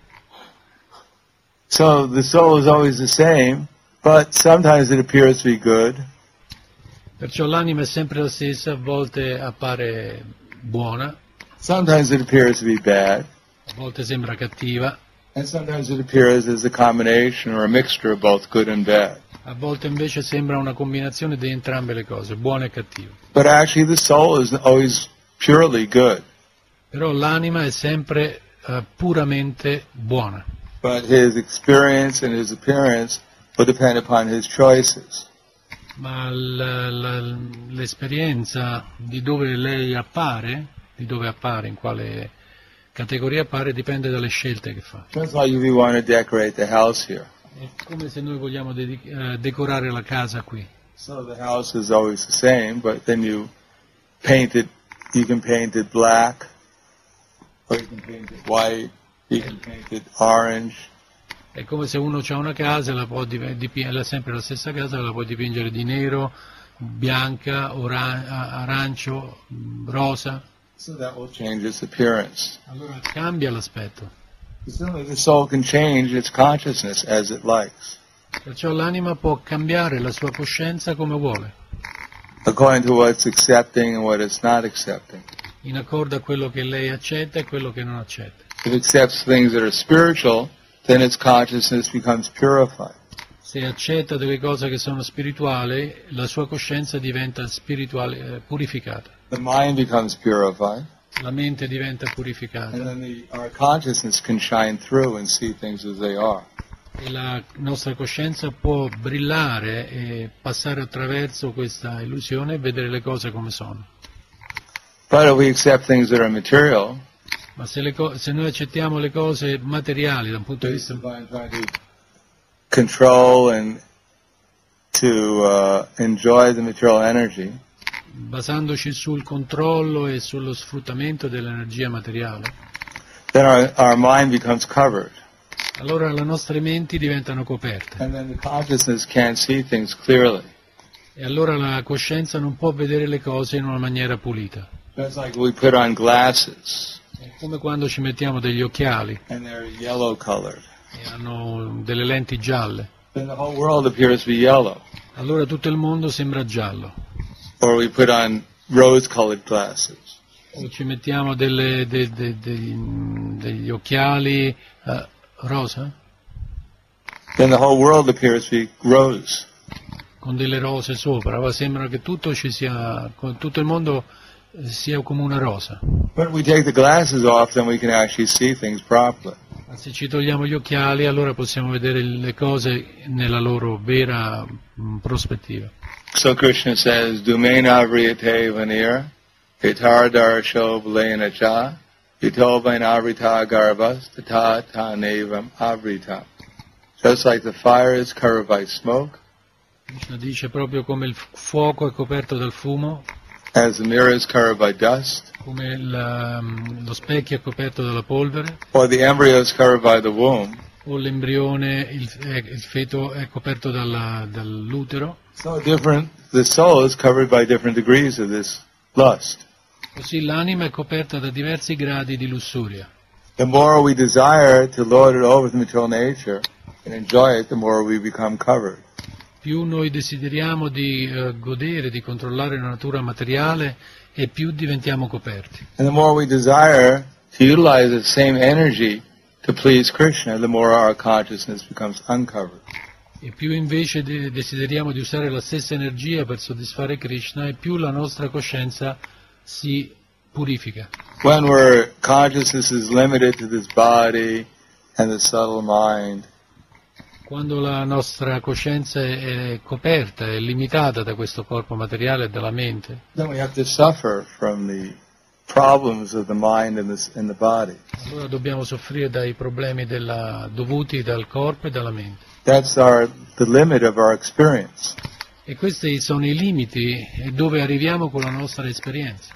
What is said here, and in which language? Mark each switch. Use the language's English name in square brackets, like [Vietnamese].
[English] It's another thing. So the soul is always the same, but sometimes it appears to be good. [Italian] Perciò l'anima è sempre la stessa, a volte appare buona. [English] Sometimes it appears to be bad. [Italian] A volte sembra cattiva. [English] And sometimes it appears as a combination or a mixture of both good and bad. [Italian] A volte invece sembra una combinazione di entrambe le cose, buono e cattivo. [English] But actually the soul is always purely good. [Italian] Però l'anima è sempre puramente buona. [English] But his experience and his appearance will depend upon his choices. [Italian] Ma l'esperienza di dove lei appare, di dove appare, in quale categoria appare, dipende dalle scelte che fa. [English] Just like we want to decorate the house here. [Italian] È come se noi vogliamo decorare la casa qui. [English] So the house is always the same, but then you paint it, you can paint it black, or you can paint it white, you can paint it orange. [Italian] È come se uno c'ha una casa, la può è sempre la stessa casa, la puoi dipingere di nero, bianca, arancio, rosa. [English] So that will change its appearance. [Italian] Allora cambia l'aspetto. [English] Certainly the soul can change its consciousness as it likes. [Italian] Perciò l'anima può cambiare la sua coscienza come vuole. [English] According to what it's accepting and what it's not accepting. [Italian] In accordo a quello che lei accetta e quello che non accetta. [English] If it accepts things that are spiritual, then its consciousness becomes purified. [Italian] Se accetta delle cose che sono spirituali, la sua coscienza diventa spirituale, purificata. [English] The mind becomes purified. [Italian] La mente diventa purificata. [English] And then our consciousness can shine through and see things as they are. [Italian] E la nostra coscienza può brillare e passare attraverso questa illusione e vedere le cose come sono. [English] But if we accept things that are material, [Italian] ma se noi accettiamo le cose materiali da un punto di vista [English] control and to enjoy the material energy. [Italian] Basandoci sul controllo e sullo sfruttamento dell'energia materiale, [English] then our mind becomes covered. [Italian] Allora le nostre menti diventano coperte. [English] And then the consciousness can't see things clearly. [Italian] E allora la coscienza non può vedere le cose in una maniera pulita. [English] That's like we put on glasses. [Italian] È come quando ci mettiamo degli occhiali. [English] And they're yellow colored. [Italian] E hanno delle lenti gialle. [English] Then the whole world appears to be yellow. [Italian] Allora tutto il mondo sembra giallo. [English] Or we put on rose-colored glasses. [Italian] O ci mettiamo degli occhiali rosa. [English] Then the whole world appears to be rose. [Italian] Con delle rose sopra, ma sembra che tutto ci sia, tutto il mondo sia come una rosa. [English] But if we take the glasses off, then we can actually see things properly. [Italian] Ma se ci togliamo gli occhiali, allora possiamo vedere le cose nella loro vera prospettiva. [English] So Krishna says, [Sanskrit] Dumena vriyate vanir, etar darsho vlayana cha, ito vain avrita garbhas, tata ta nevam avrita. [English] Just like the fire is covered by smoke, [Italian] Krishna dice proprio come il fuoco è coperto dal fumo, [English] as the mirror is covered by dust, [Italian] come lo specchio è coperto dalla polvere, [English] or the embryo is covered by the womb, [Italian] o l'embrione, il feto è coperto dall'utero. [English] So different, the soul is covered by different degrees of this lust. [Italian] Così l'anima è coperta da diversi gradi di lussuria. [English] The more we desire to lord it over the material nature and enjoy it, the more we become covered. [Italian] Più noi desideriamo di godere, di controllare la natura materiale, e più diventiamo coperti. [English] And the more we desire to utilize the same energy to please Krishna, the more our consciousness becomes uncovered. [Italian] E più invece desideriamo di usare la stessa energia per soddisfare Krishna, e più la nostra coscienza si purifica. [English] When our consciousness is limited to this body, and the subtle mind. [Italian] Quando la nostra coscienza è coperta, è limitata da questo corpo materiale e dalla mente. [English] Then we have to suffer from the problems of the mind and the body. [Italian] Allora dobbiamo soffrire dai problemi dovuti dal corpo e dalla mente. [English] That's the limit of our experience. [Italian] E questi sono i limiti dove arriviamo con la nostra esperienza.